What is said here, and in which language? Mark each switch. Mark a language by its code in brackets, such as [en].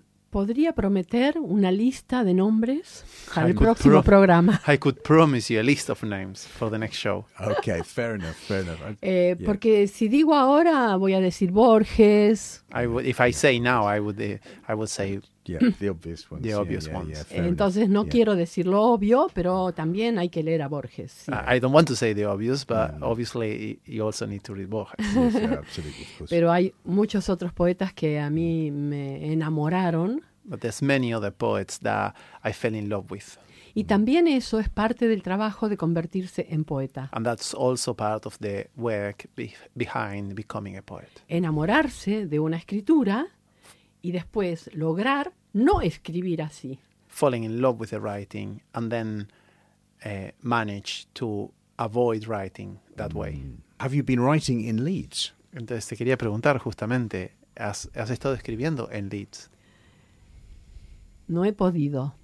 [es] ¿Podría prometer una lista de nombres para el próximo programa? [en] I could promise you a list of names for the next show. Okay, fair enough. [es] Porque si digo ahora, voy a decir Borges. [en] If I say now, I would say... Yeah, the obvious ones. The obvious ones. [es] Entonces, no quiero decir lo obvio, pero también hay que leer a Borges. Sí. [en] I don't want to say the obvious, but obviously you also need to read Borges. Yes, absolutely, of course. [es] Pero hay muchos otros poetas que a mí me enamoraron. [en] But there's many other poets that I fell in love with. [es] Y también eso es parte del trabajo de convertirse en poeta. [en] And that's also part of the work behind becoming a poet. [es] Enamorarse de una escritura y después lograr no escribir así. [en] Falling in love with the writing and then manage to avoid writing that way. Have you been writing in Leeds? [es] Entonces te quería preguntar justamente, has estado escribiendo en Leeds. No he podido.